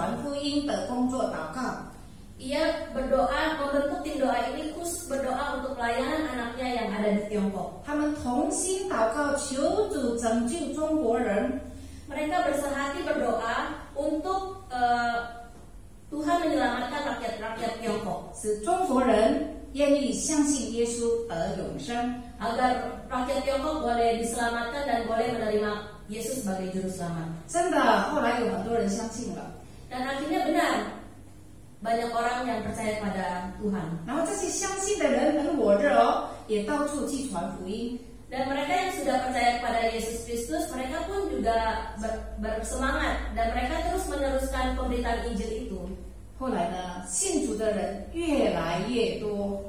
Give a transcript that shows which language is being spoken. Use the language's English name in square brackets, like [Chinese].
[Chinese] 然后呢，就为做这个儿子在中国云南传福音的工作祷告. [Indonesian] Ia berdoa membentuk tim doa ini khusus berdoa untuk pelayanan anaknya yang ada di Tiongkok. [Chinese] 他们同心祷告，求主拯救中国人. [Indonesian] Mereka bersehati berdoa untuk Tuhan menyelamatkan rakyat Tiongkok. [Chinese] 是中国人.愿意相信耶稣而永生, [Indonesian] agar rakyat Tiongkok boleh diselamatkan dan boleh menerima Yesus sebagai Juruselamat. [Chinese] 真的，后来有很多人相信了. [Indonesian] Dan akhirnya benar, banyak orang yang percaya pada Tuhan. [Chinese] 然后这些相信的人很火热哦，也到处去传福音. [Indonesian] Dan mereka yang sudah percaya kepada Yesus Kristus, mereka pun juga bersemangat dan mereka terus meneruskan pemberitaan Injil itu. [Chinese] 后来呢，信主的人越来越多。